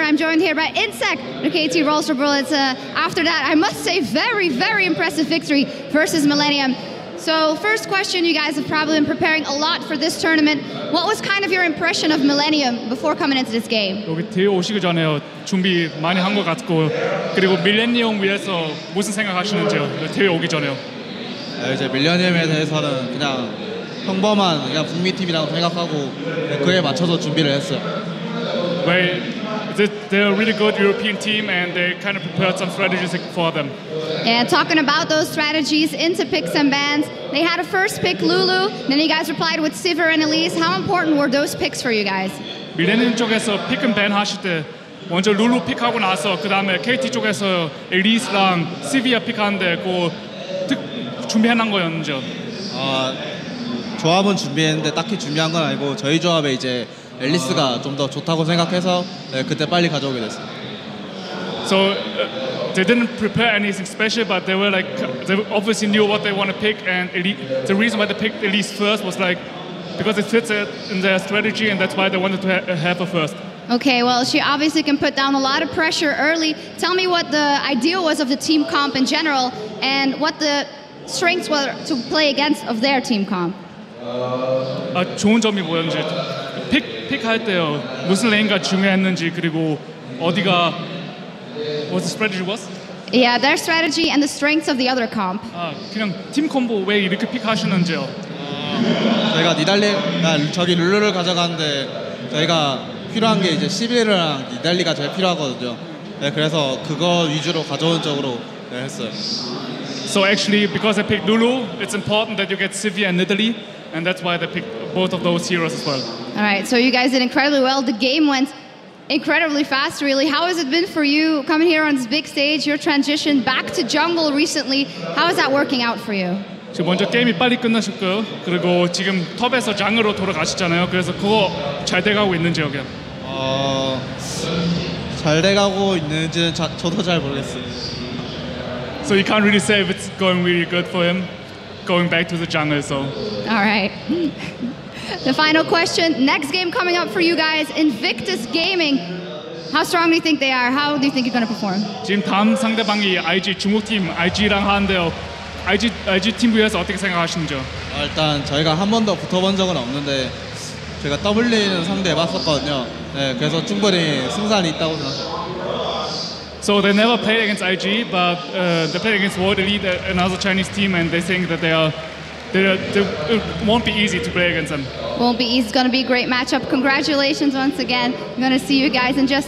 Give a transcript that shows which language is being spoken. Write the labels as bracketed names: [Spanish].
[English] I'm joined here by Insec, KT Rolls-Royce. After that, I must say, very, very impressive victory versus Millennium. So first question, you guys have probably been preparing a lot for this tournament. What was kind of your impression of Millennium before coming into this game? [Korean] 여기 대회 오시기 전에 준비 많이 한 것 같고 그리고 밀레니엄 위해서 무슨 생각하시는지요? 대회 오기 전에요. 이제 밀레니엄에 대해서는 그냥 평범한 그냥 북미 팀이라고 생각하고 그에 맞춰서 준비를 했어요. [English] Well, they're a really good European team and they kind of prepared some strategies for them. Yeah, talking about those strategies into picks and bans, they had a first pick, Lulu, then you guys replied with Sivir and Elise. How important were those picks for you guys? [Korean] 밀레니엄 쪽에서 pick and ban 하실 때 먼저 룰루 픽하고 나서 그 다음에 KT 쪽에서 엘리스랑 시비아 픽하는데 그거 준비해놨는 거였는지요? 조합은 준비했는데 딱히 준비한 건 아니고 저희 조합에 이제 엘리스가 좀 더 좋다고 생각해서 네, 그때 빨리 가져오게 됐어요. [English] So they didn't prepare anything special, but they were like they obviously knew what they want to pick, and the reason why they picked Elise first was like because it fits in their strategy, and that's why they wanted to have her first. Okay, well, she obviously can put down a lot of pressure early. Tell me what the idea was of the team comp in general, and what the strengths were to play against of their team comp. [Korean] 좋은 점이 뭐였는지 픽할 때요 무슨 레인가 중요했는지 그리고 어디가 [English] what the strategy was? Yeah, their strategy and the strengths of the other comp. [Korean] 그냥 팀 콤보 왜 이렇게 픽하시는지요? 저희가 니달리 저기 룰루를 가져가는데 저희가 필요한 게 이제 시빌이랑 니달리가 제일 필요하거든요. 네, 그래서 그거 위주로 가져온 쪽으로 네, 했어요. [English] So actually, because I picked Lulu, it's important that you get Sivir and Nidalee, and that's why they picked both of those heroes as well. All right, so you guys did incredibly well. The game went incredibly fast, really. How has it been for you coming here on this big stage? Your transition back to jungle recently. How is that working out for you? [Korean] 지금 먼저 게임이 빨리 끝나셨고요. 그리고 지금 톱에서 장으로 돌아가셨잖아요. 그래서 그거 잘 돼가고 있는지 여기요. 잘 돼가고 있는지는 저도 잘 모르겠어요. [English] So you can't really say if it's going really good for him, going back to the jungle, so. All right. The final question, next game coming up for you guys, Invictus Gaming. How strong do you think they are? How do you think you're going to perform? [Korean] 지금 다음 상대방이 IG, 중국팀 IG랑 하는데요. IG 팀 위에서 어떻게 생각하시는지요? 일단 저희가 한 번도 붙어본 적은 없는데, 제가 W는 상대 해봤었거든요. 네, 그래서 충분히 승산이 있다고 생각합니다. [English] So they never played against IG, but they played against World Elite, another Chinese team, and they think that it won't be easy to play against them. Won't be easy. It's going to be a great matchup. Congratulations once again. I'm going to see you guys in just